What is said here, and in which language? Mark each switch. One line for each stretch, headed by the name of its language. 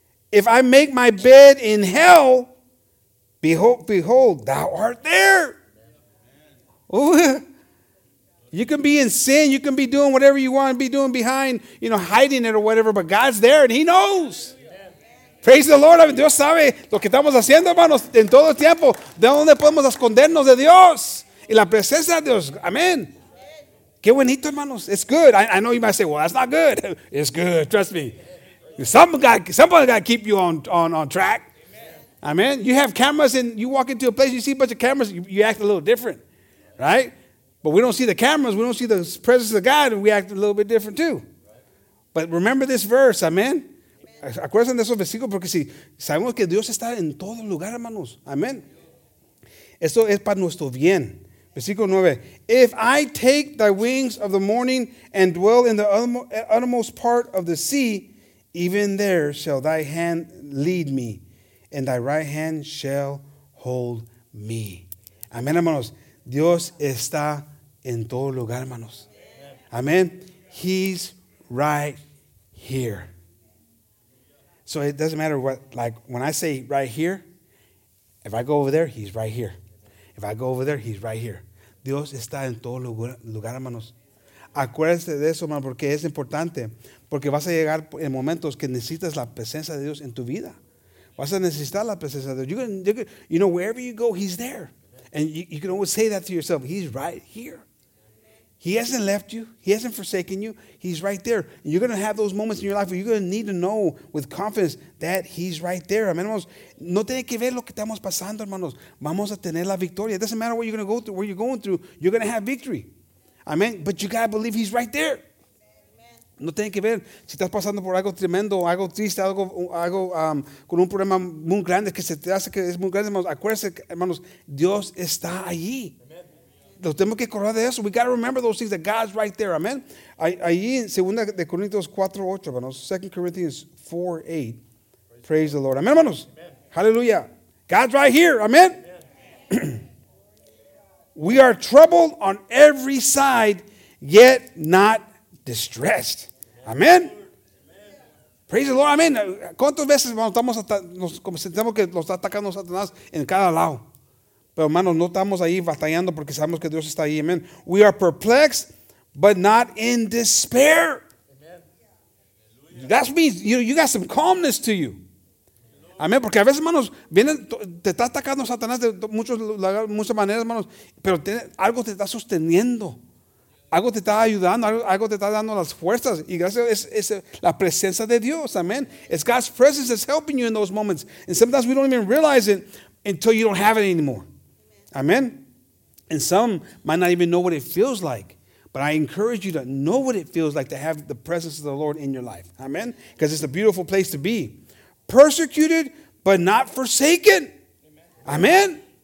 English: If I make my bed in hell, behold, thou art there. Ooh. You can be in sin. You can be doing whatever you want to be doing behind, you know, hiding it or whatever, but God's there and he knows. Praise the Lord.
Spanish: Dios sabe lo que estamos haciendo, hermanos, en todo el tiempo. ¿De dónde podemos escondernos de Dios? Y la presencia de Dios. Amén. Qué bonito, hermanos.
English: It's good. I know you might say, well, that's not good. It's good. Trust me. Somebody got to keep you on track. Amen. You have cameras and you walk into a place, you see a bunch of cameras, you act a little different. Right? But we don't see the cameras. We don't see the presence of God and we act a little bit different too. But remember this verse. Amen.
Spanish: Acuérdense de esos versículos porque si sabemos que Dios está en todo lugar, hermanos. Amén. Esto es para nuestro bien. Versículo 9.
English: If I take thy wings of the morning and dwell in the uttermost part of the sea, even there shall thy hand lead me, and thy right hand shall hold me.
Spanish: Amén, hermanos. Dios está en todo lugar, hermanos. Amén.
English: He's right here. So it doesn't matter what, like, when I say right here, if I go over there, he's right here. If I go over there, he's right here.
Spanish: Dios está en todo lugar, hermanos. Acuérdense de eso, hermano, porque es importante. Porque vas a llegar en momentos que necesitas la presencia de Dios en tu vida. Vas a necesitar la presencia de Dios.
English: You know, wherever you go, he's there. And you can always say that to yourself. He's right here. He hasn't left you. He hasn't forsaken you. He's right there. And you're going to have those moments in your life where you're going to need to know with confidence that he's right there.
Spanish: Amen, hermanos. No tiene que ver lo que estamos pasando, hermanos. Vamos a tener la victoria.
English: It doesn't matter what you're going to go through, where you're going through. You're going to have victory. Amen. But you got to believe he's right there.
Spanish: No tiene que ver si estás pasando por algo tremendo, algo triste, algo con un problema muy grande que se te hace que es muy grande. Hermanos, acuérdense, hermanos, Dios está allí. Lo tenemos que acordar de eso.
English: We got to remember those things that God's right there.
Spanish: Amen. Allí en 2 Corintios 4, 8, hermanos.
English: 2 Corinthians 4, 8. Praise the Lord. Amen, hermanos. Amen. Hallelujah. God's right here. Amen. Amen. We are troubled on every side, yet not distressed. Amen. Amen. Praise the Lord. Amen.
Spanish: ¿Cuántas veces, hermanos, sentimos que nos está atacando Satanás en cada lado? Pero, hermanos, no estamos ahí batallando porque sabemos que Dios está ahí.
English: Amen. We are perplexed, but not in despair. Amen. That means you got some calmness to you. Amen.
Spanish: Porque a veces, hermanos, viene, te está atacando Satanás de muchas maneras, hermanos, pero algo te está sosteniendo. Algo te está ayudando, algo te está dando las fuerzas. Y gracias es la presencia de Dios. Amen.
English: It's God's presence that's helping you in those moments. And sometimes we don't even realize it until you don't have it anymore. Amen. And some might not even know what it feels like. But I encourage you to know what it feels like to have the presence of the Lord in your life. Amen. Because it's a beautiful place to be. Persecuted, but not forsaken. Amen.